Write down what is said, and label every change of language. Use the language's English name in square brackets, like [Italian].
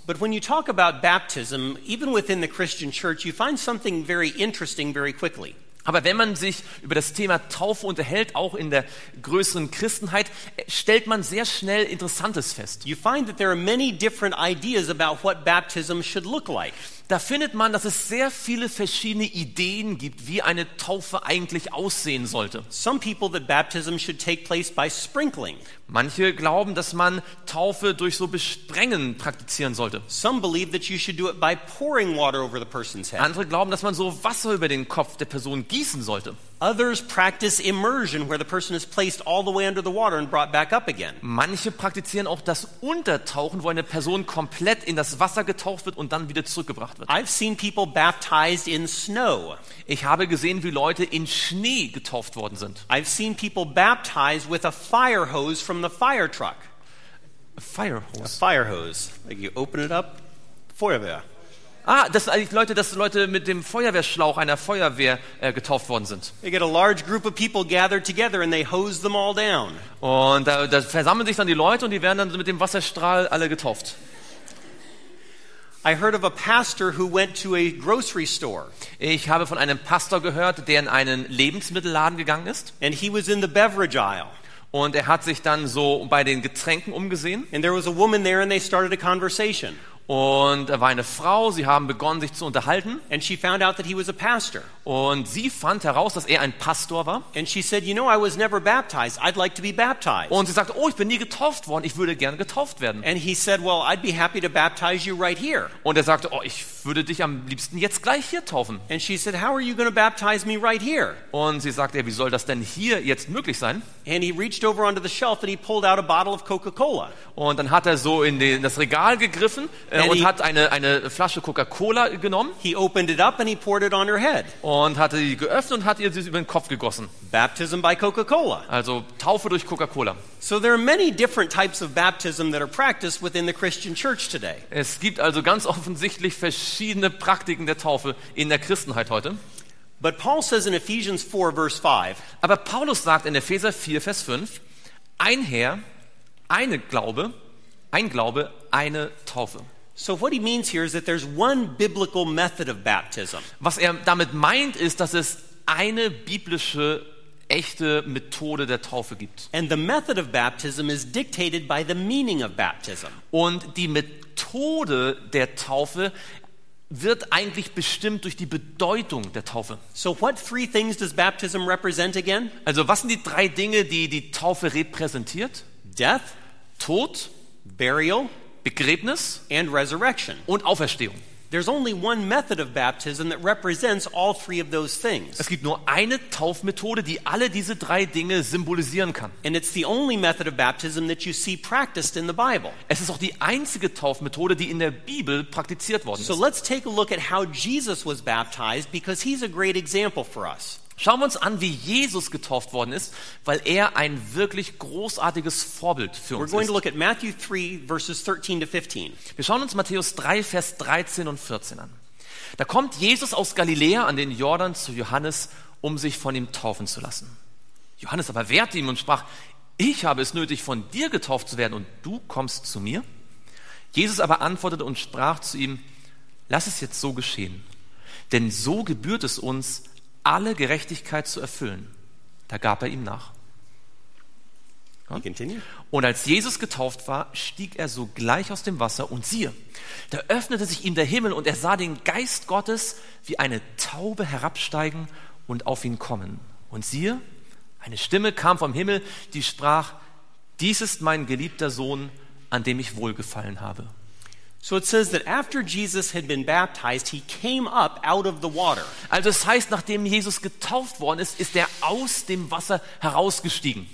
[English] But when you talk about baptism, even within the Christian church, you find something very interesting very quickly. [German] Aber wenn man sich über das Thema Taufe unterhält, auch in der größeren Christenheit, stellt man sehr schnell Interessantes fest. [English] You find that there are many different ideas about what baptism should look like. [German] Da findet man, dass es sehr viele verschiedene Ideen gibt, wie eine Taufe eigentlich aussehen sollte. [English] Some people that baptism should take place by sprinkling. [German] Manche glauben, dass man Taufe durch so Besprengen praktizieren sollte. [English] Some believe that you should do it by pouring water over the person's head. [German] Andere glauben, dass man so Wasser über den Kopf der Person gießen sollte. [English] Others practice immersion, where the person is placed all the way under the water and brought back up again. [German] Manche praktizieren auch das Untertauchen, wo eine Person komplett in das Wasser getaucht wird und dann wieder zurückgebracht wird. [English] I've seen people baptized in snow. [German] Ich habe gesehen, wie Leute in Schnee getauft worden sind. [English] I've seen people baptized with a fire hose from the fire truck. A fire hose. A fire hose. Like you open it up, Feuerwehr. [German] Ah, dass Leute mit dem Feuerwehrschlauch einer Feuerwehr getauft worden sind. [English] They get a large group of people gathered together and they hose them all down. [German] Und da versammeln sich dann die Leute und die werden dann mit dem Wasserstrahl alle getauft. [English] I heard of a pastor who went to a grocery store. [German] Ich habe von einem Pastor gehört, der in einen Lebensmittelladen gegangen ist. [English] And he was in the beverage aisle. [German] Und er hat sich dann so bei den Getränken umgesehen. [English] And there was a woman there and they started a conversation. [German] Und er war eine Frau, sie haben begonnen sich zu unterhalten. [English] And she found out that he was a pastor. [German] Und sie fand heraus, dass er ein Pastor war. [English] And she said, you know, I was never baptized. I'd like to be baptized. [German] Und sie sagte, oh, ich bin nie getauft worden, ich würde gerne getauft werden. [English] And he said, well, I'd be happy to baptize you right here. [German] Und er sagte, oh, ich würde dich am liebsten jetzt gleich hier taufen. [English] And she said, how are you going to baptize me right here? [German] Und sie sagte, wie soll das denn hier jetzt möglich sein? [English] And he reached over onto the shelf and he pulled out a bottle of Coca-Cola. [German] Und dann hat er so in das Regal gegriffen. Und hat eine Flasche Coca-Cola genommen. [English] He opened it up and he poured it on her head. [German] Und hatte sie geöffnet und hat ihr sie über den Kopf gegossen. [English] Baptism by Coca-Cola. [German] Also Taufe durch Coca-Cola. [English] So there are many different types of baptism that are practiced within the Christian church today. [German] Es gibt also ganz offensichtlich verschiedene Praktiken der Taufe in der Christenheit heute. [English] But Paul says in Ephesians 4 verse 5. [German] Aber Paulus sagt in Epheser 4 Vers 5: Ein Herr, eine Glaube, ein Glaube, eine Taufe. [English] So what he means here is that there's one biblical method of baptism. [German] Was er damit meint, ist, dass es eine biblische echte Methode der Taufe gibt. [English] And the method of baptism is dictated by the meaning of baptism. [German] Und die Methode der Taufe wird eigentlich bestimmt durch die Bedeutung der Taufe. [English] So what three things does baptism represent again? [German] Also was sind die drei Dinge, die die Taufe repräsentiert? [English] Death, [German] Tod, [English] Burial, [German] Begräbnis [English] and Resurrection. [German] Und Auferstehung. [English] There's only one method of baptism that represents all three of those things. [German] Es gibt nur eine Taufmethode, die alle diese drei Dinge symbolisieren kann. [English] And it's the only method of baptism that you see practiced in the Bible. [German] Es ist auch die einzige Taufmethode, die in der Bibel praktiziert worden ist. [English] So let's take a look at how Jesus was baptized, because he's a great example for us. [German] Schauen wir uns an, wie Jesus getauft worden ist, weil er ein wirklich großartiges Vorbild für uns ist. [English] We're going to look at Matthew 3, verses 13 to 15. [German] Wir schauen uns Matthäus 3, Vers 13 und 14 an. Da kommt Jesus aus Galiläa an den Jordan zu Johannes, um sich von ihm taufen zu lassen. Johannes aber wehrte ihm und sprach, ich habe es nötig, von dir getauft zu werden und du kommst zu mir. Jesus aber antwortete und sprach zu ihm, lass es jetzt so geschehen, denn so gebührt es uns, alle Gerechtigkeit zu erfüllen. Da gab er ihm nach. Und als Jesus getauft war, stieg er sogleich aus dem Wasser und siehe, da öffnete sich ihm der Himmel und er sah den Geist Gottes wie eine Taube herabsteigen und auf ihn kommen. Und siehe, eine Stimme kam vom Himmel, die sprach, dies ist mein geliebter Sohn, an dem ich wohlgefallen habe. [English] So it says that after Jesus had been baptized, he came up out of the water. [German] Also es heißt, nachdem Jesus getauft worden ist, ist er aus dem Wasser herausgestiegen.